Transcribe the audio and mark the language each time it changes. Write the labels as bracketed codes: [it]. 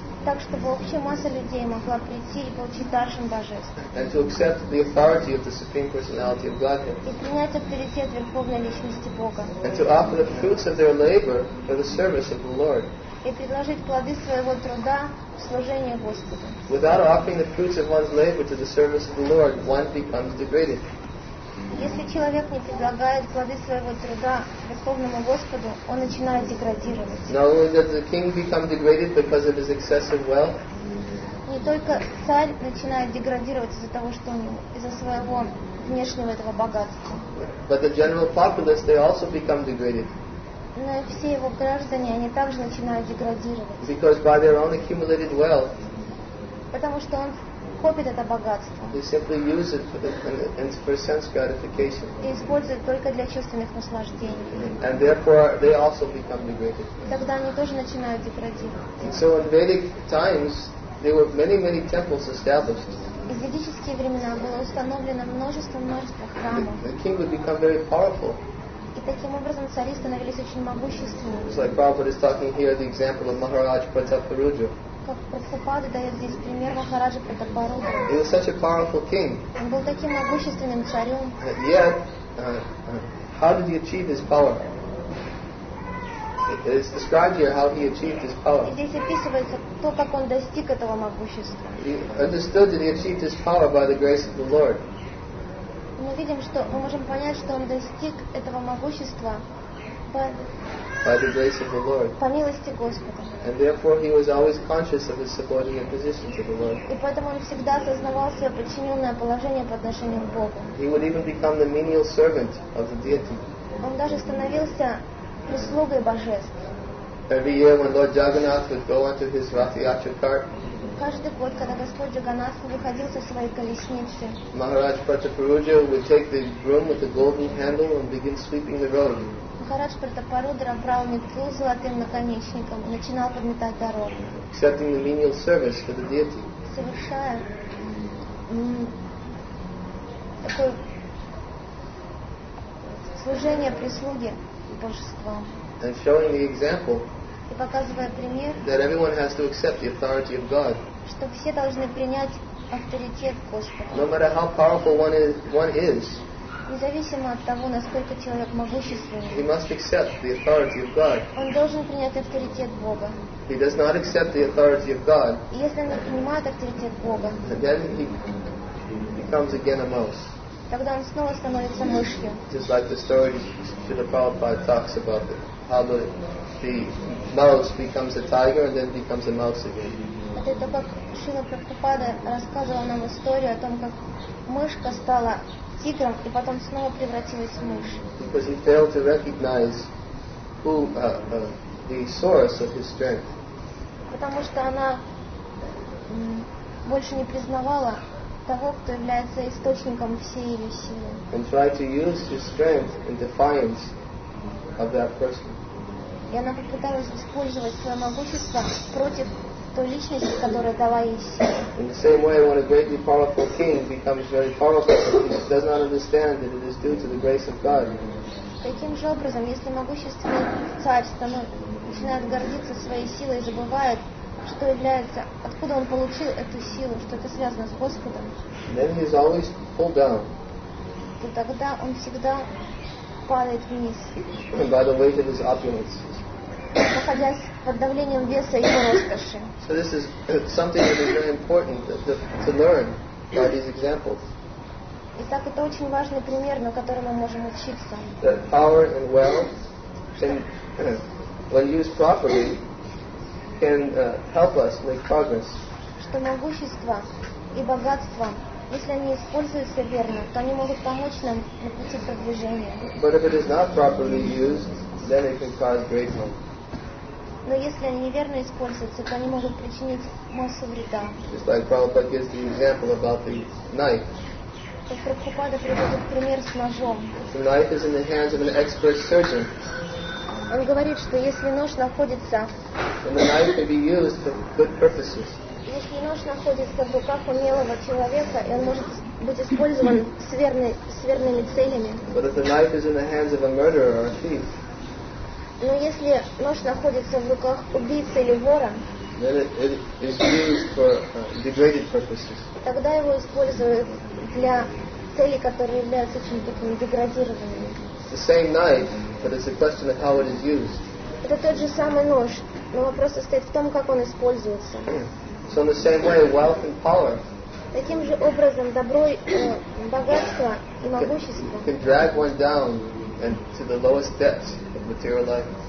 [ru] Так, чтобы вообще масса людей могла прийти и получить даршан божеств. [en] And to accept the authority of the Supreme Personality of Godhead. [ru] И принять авторитет Верховной Личности Бога. [en] And to offer the fruits of their labor for the service of the Lord. [ru] И предложить плоды своего труда в служение Господу. [en] Without offering the fruits of one's labor to the service of the Lord, one becomes degraded. [ru] Если человек не предлагает плоды своего труда Верховному Господу, он начинает деградировать. [en] Not only does the king become degraded because of his excessive wealth. [ru] Не только царь начинает деградировать из-за того, что у него, из-за своего внешнего этого богатства. [en] But the general populace, they also become degraded. [ru] Но и все его граждане, они также начинают деградировать. [en] Because by their own accumulated wealth. [ru] Потому что он копит это богатство. [en] They simply use it for sense gratification. [ru] И используют только для чувственных наслаждений. [en] And therefore they also become degraded. [ru] Тогда они тоже начинают деградировать. [en] And so in Vedic times there were many, many temples established. [ru] И в ведические времена было установлено множество храмов. [en] The king would become very powerful. [ru] И таким образом цари становились очень могущественными. [en] It's like Prabhupada is talking here the example of Maharaj Pratap Rudra. [ru] Как Прабхупада дает здесь пример Махараджа Пратапа-Руджа. [en] He was such a powerful king. [ru] Он был таким могущественным царем. [en] Yet, how did he achieve his power? It's described here how he achieved his power. [ru] И здесь описывается то, как он достиг этого могущества. [en] He understood that he achieved his power by the grace of the Lord. [ru] Мы видим, что мы можем понять, что он достиг этого могущества [en] by the grace of the Lord. [ru] По милости Господа. [en] And therefore he was always conscious of his subordinate position to the Lord. [ru] И поэтому он всегда осознавал свое подчиненное положение по отношению к Богу. [en] He would even become the menial servant of the deity. [ru] Он даже становился прислугой божеств. [en] Every year when Lord Jagannath would go onto his Rath Yatra cart, [ru] каждый год, когда Господь Джаганнат выходил со своей колесницы, [en] Maharaj Prataparudra would take the broom with the golden handle and begin sweeping the road. [ru] Махарадж Пратапа-Руджа брал метлу с золотым наконечником и начинал подметать дорогу. [en] Accepting the menial service for the deity. [ru] Совершая такое служение прислуги божества. [en] And showing the example. [ru] И показывая пример. [en] That everyone has to accept the authority of God. [ru] Что все должны принять авторитет Господа. [en] No matter how powerful one is. [ru] Независимо от того, насколько человек могущественен. [en] He must accept the authority of God. [ru] Он должен принять авторитет Бога. [en] He does not accept the authority of God. [ru] Если он не принимает авторитет Бога. [en] Then he becomes again a mouse. [ru] Тогда он снова становится мышью. [en] Just like the story Srila Prabhupada talks about how the mouse becomes a tiger and then becomes a mouse again. [ru] Это как Шрила Прабхупада рассказывал нам историю о том, как мышка стала тигром и потом снова превратилась в мышь. [en] Because he failed to recognize the source of his strength. [ru] Потому что она больше не признавала того, кто является источником всей ее силы. [en] And tried to use his strength in defiance of that person. [ru] И она попыталась использовать свое могущество против той личности, которая дала ей силу. [en] In the same way, when a greatly powerful king becomes very powerful, he does not understand that it is due to the grace of God. [ru] Таким же образом, если могущественный царь начинает гордиться своей силой и забывает, что является, откуда он получил эту силу, что это связано с Господом, [en] then he is always pulled down. [ru] То тогда он всегда падает вниз. [en] By the weight of his opulence. [ru] Находясь под давлением веса его роскоши. [en] So this is something that is very important to learn by these examples. [ru] Итак, это очень важный пример, на котором мы можем учиться. [en] That power and wealth, can, when used properly, can help us make progress. [ru] Что могущество и богатство, если они используются верно, то они могут помочь нам на пути продвижения. [en] But if it is not properly used, then it can cause great harm. [ru] Но если они неверно используются, то они могут причинить массу вреда. [en] Just like Prabhupada gives the example about the knife. [ru] Как Прабхупада приводит пример с ножом. [en] The knife is in the hands of an expert surgeon. [ru] Он говорит, что если нож находится... [en] Then the knife can be used for good purposes. [ru] Если нож находится в руках умелого человека, и он может быть использован с верными целями. [en] But if the knife is in the hands of a murderer or a thief, [ru] но если нож находится в руках убийцы или вора, тогда его используют для целей, которые являются очень такими деградированными. [en] The same knife, but it's a question of how it is used. [ru] Это тот же самый нож, но вопрос состоит в том, как он используется. [en] So in the same way, wealth and power. [ru] Таким же образом, добро, богатство и могущество. [en] Can drag one down and to the lowest depths of material life.